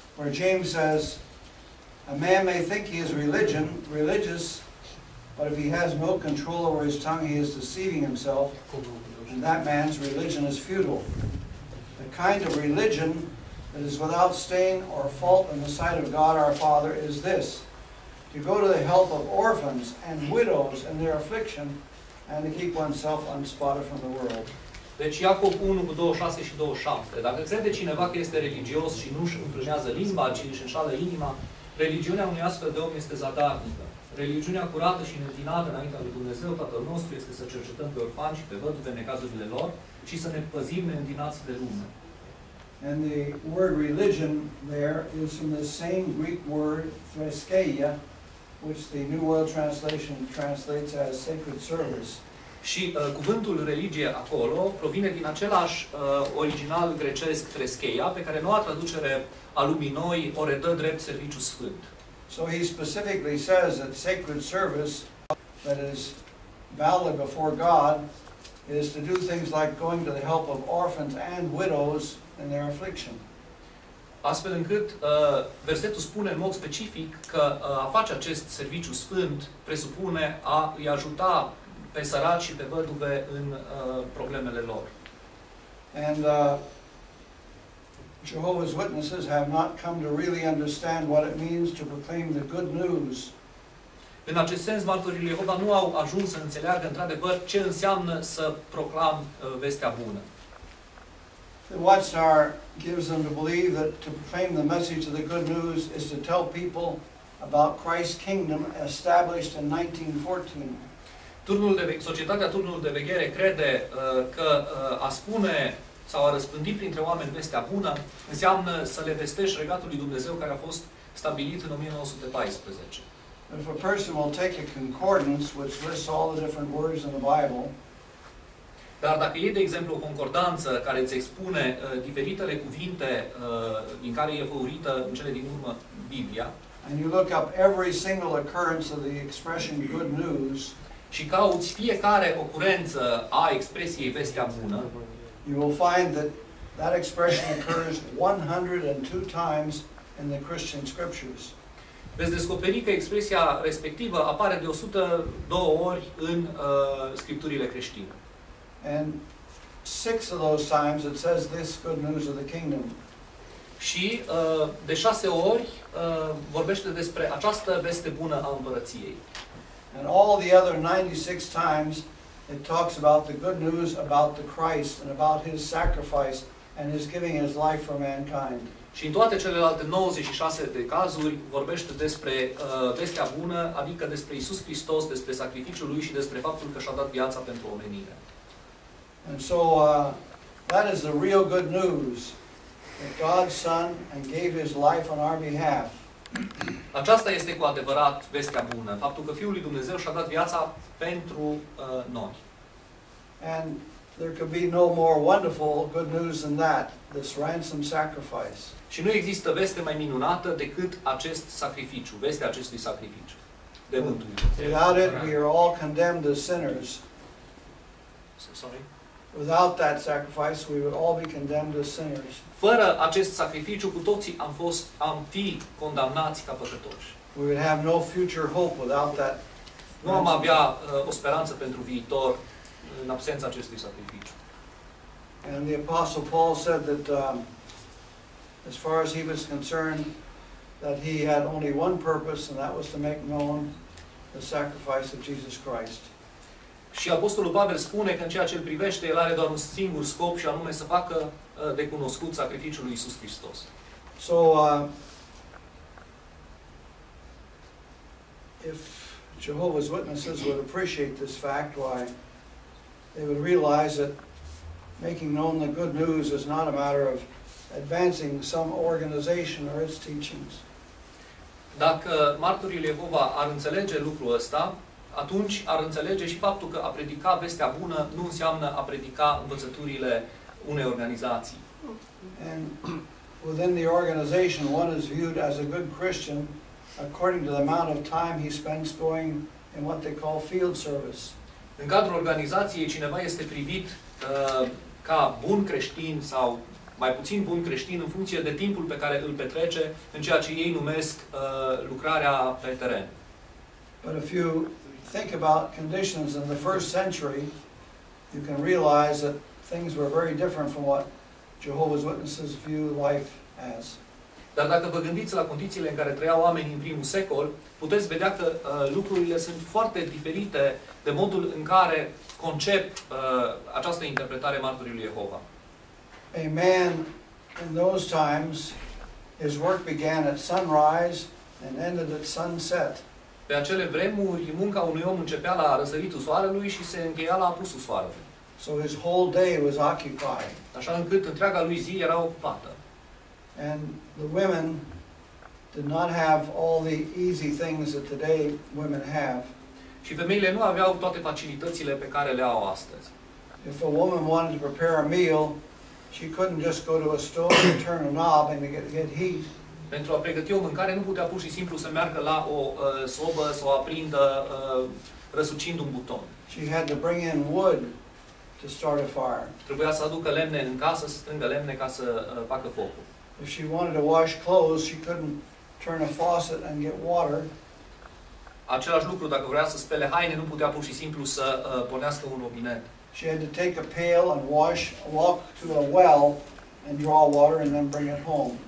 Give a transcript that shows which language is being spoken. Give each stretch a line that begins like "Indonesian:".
English: Where James says, a man may think he is religious, but if he has no control over his tongue, he is deceiving himself, and that man's religion is futile. The kind of religion that is without stain or fault in the sight of God our Father is this, to go to the help of orphans and widows in their affliction, and to keep oneself unspotted from the world.
Romanian: Deci Iacob 1 cu 26 și 27. Dacă crede cineva că este religios și nu își împlinează limba, ci își înșală inima, religiunea unui astfel de om este zadarnică. Religiunea curată și neînvinată înaintea lui Dumnezeu, Tatăl nostru, este să cercetăm pe orfani și pe văduve necazurile lor și să ne păzim neîndinați de lume.
English: And the word religion there is from the same Greek word thresqueia, which the New World Translation translates as sacred service.
Romanian: Și cuvântul religie acolo provine din același original grecesc thresqueia, pe care noua traducere a lumii noi o redă drept serviciu sfânt.
English: So he specifically says that sacred service that is valid before God is to do things like going to the help of orphans and widows in their affliction.
Romanian: Astfel încât versetul spune în mod specific că a face acest serviciu sfânt presupune a îi ajuta pe săraci și pe văduve în problemele lor.
English: And Jehovah's Witnesses have not come to really understand what it means to proclaim the good news.
Romanian: În acest sens, martorii lui Jehova nu au ajuns să înțeleagă într-adevăr ce înseamnă să proclam vestea bună.
English: The Watchtower gives them to believe that to proclaim the message of the good news is to tell people about Christ's kingdom established in 1914.
Romanian: Turnul de societatea turnului de veghere crede că a spune sau a răspândi printre oameni vestea bună înseamnă să le vestești regatul lui Dumnezeu care a fost stabilit în 1914.
English: If a person will take a concordance which lists all the different words in the Bible.
Romanian: Dar dacă iei, de exemplu, o concordanță care îți expune diferitele cuvinte din care e făurită în cele din urmă Biblia,
English: and you look up every single occurrence of the expression good news,
Romanian: și cauți fiecare ocurență a expresiei vestea bună,
English: you will find that that expression occurs 102 times in the Christian scriptures.
Romanian: Veți descoperi că expresia respectivă apare de 102 ori în scripturile creștine.
English: And 6 of those times it says this good news of the kingdom.
Romanian: Și de 6 ori vorbește despre această veste bună a împărăției.
English: And all the other 96 times it talks about the good news about the Christ and about his sacrifice and his giving his life for mankind.
Romanian: Și în toate celelalte 96 de cazuri vorbește despre vestea bună, adică despre Iisus Hristos, despre sacrificiul lui și despre faptul că și-a dat viața pentru omenire.
English: And so that is the real good news, that God's Son and gave his life on our behalf.
Romanian: Aceasta este cu adevărat vestea bună, faptul că Fiul lui Dumnezeu și-a dat viața pentru noi.
English: And there could be no more wonderful good news than that, this ransom sacrifice.
Romanian: Și nu există veste mai minunată decât acest sacrificiu, vestea acestui sacrificiu de mântuire.
English: Without it, we are all condemned as sinners. Sorry. Without that sacrifice, we would all be condemned as sinners.
Romanian: Fără acest sacrificiu, cu toții am fi condamnați ca păcătoși.
English: We would have no future hope without that.
Romanian: Nu am avea o speranță pentru viitor în absența acestui sacrificiu.
English: And the Apostle Paul said that as far as he was concerned, that he had only one purpose, and that was to make known the sacrifice of Jesus Christ.
Romanian: Și Apostolul Pavel spune că în ceea ce îl privește, el are doar un singur scop și anume să facă de cunoscut sacrificiul lui Iisus Hristos.
English: So, if Jehovah's Witnesses would appreciate this fact, why they would realize that making known the good news is not a matter of advancing some organization or its teachings.
Romanian: Dacă marturii Jehova ar înțelege lucrul ăsta, atunci ar înțelege și faptul că a predica vestea bună nu înseamnă a predica învățăturile unei organizații.
English: And within the organization, one is viewed as a good Christian according to the amount of time he spends going in what they call field service.
Romanian: În cadrul organizației, cineva este privit ca bun creștin sau mai puțin bun creștin în funcție de timpul pe care îl petrece în ceea ce ei numesc lucrarea pe teren.
English: But if you think about conditions in the first century, you can realize that things were very different from what Jehovah's Witnesses view life as.
Romanian: Dar dacă vă gândiți la condițiile în care trăiau oamenii în primul secol, puteți vedea că lucrurile sunt foarte diferite de modul în care concep această interpretare marturii lui Jehova.
English: A man in those times, his work began at sunrise and ended at sunset.
Romanian: Pe acele vremuri, munca unui om începea la răsăritul soarelui și se încheia la apusul soarelui.
English: So his whole day was occupied.
Romanian: Așa încât întreaga lui zi era ocupată.
English: And the women did not have all the easy things that today women have.
Romanian: Și femeile nu aveau toate facilitățile pe care le au astăzi.
English: If a woman wanted to prepare a meal, she couldn't just go to a store and turn a knob and get heat.
Romanian: Pentru a pregăti o mâncare nu putea pur și simplu să meargă la o sobă sau să o aprindă răsucind un buton.
English: She had to bring in wood to start a fire.
Romanian: Trebuia să aducă lemne în casă, să strângă lemne ca să facă focul.
English: If she wanted to wash clothes, she couldn't turn a faucet and get water.
Romanian: Același lucru, dacă vrea să spele haine, nu putea pur și simplu să pornească un robinet.
English: She had to take a pail and walk to a well and draw water and then bring it home.